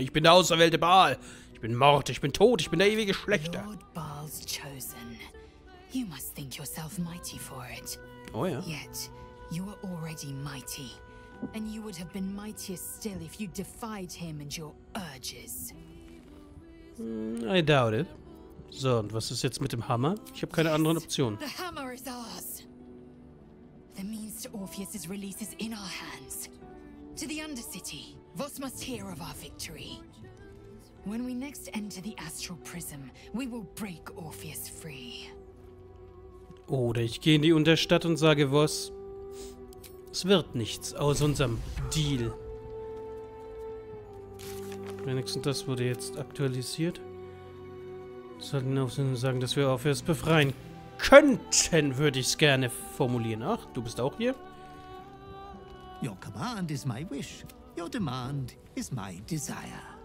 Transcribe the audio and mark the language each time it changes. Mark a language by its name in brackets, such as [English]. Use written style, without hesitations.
[German] Ich bin der auserwählte Baal. Ich bin Mord. Ich bin tot. Ich bin der ewige Schlechter. [English] Lord Baal's chosen. You must think yourself mighty for it. [German] Oh ja. [English] Yet you are already mighty, and you would have been mightier still if you defied him and your urges. I doubt it. [German] So, und was ist jetzt mit dem Hammer? Ich habe keine anderen Optionen. [English] The hammer is ours. The means to Orpheus's release is in our hands. To the Undercity, Vos must hear of our victory. When we next enter the Astral Prism, we will break Orpheus free. [German] Oder ich gehe in die Unterstadt und sage Vos, es wird nichts aus unserem Deal. Wenigstens das wurde jetzt aktualisiert. Wir sollten auch sagen, dass wir Orpheus befreien können. Könnten, würde ich es gerne formulieren. Ach, du bist auch hier? [English] Your command is my wish. Your demand is my desire.